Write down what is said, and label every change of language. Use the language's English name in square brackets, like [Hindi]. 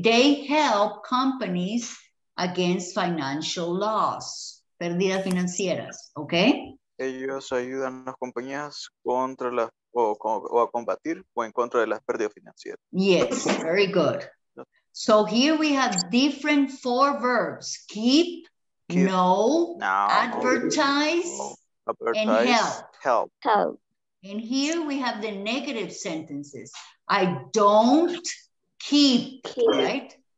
[English] They help companies against financial loss, [Spanish] pérdidas financieras. [English] Okay. [Spanish] Ellos ayudan a las compañías contra las o a combatir o en contra de las pérdidas financieras. [English] Yes, very good. So here we have different four verbs: keep know, advertise, and help. And here we have the negative sentences. I don't keep. Right?